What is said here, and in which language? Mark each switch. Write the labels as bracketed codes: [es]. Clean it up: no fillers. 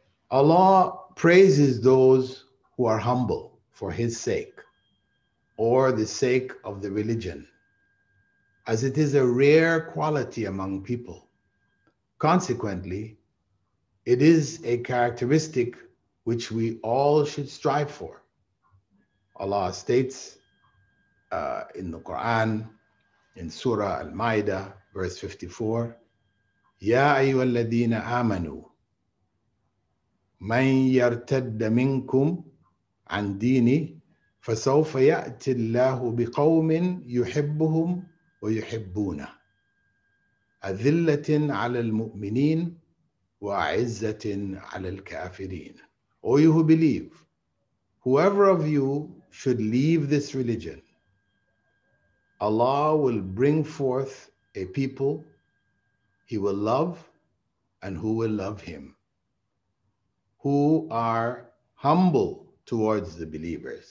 [en] Allah praises those who are humble for His sake or the sake of the religion, as it is a rare quality among people. Consequently, it is a characteristic which we all should strive for. Allah states in the Quran, in Surah Al-Ma'idah, verse 54, [ar] يَا أَيُّهَا الَّذِينَ آمَنُوا مَنْ يَرْتَدَّ مِنْكُمْ عَنْ دِينِهِ فَسَوْفَ يَأْتِ اللَّهُ بِقَوْمٍ يُحِبُّهُمْ وَيُحِبُّونَ أَذِلَّةٍ عَلَى الْمُؤْمِنِينَ وَأَعِزَّةٍ عَلَى الْكَافِرِينَ. [en] O you who believe, whoever of you should leave this religion, Allah will bring forth a people He will love and who will love Him, who are humble towards the believers.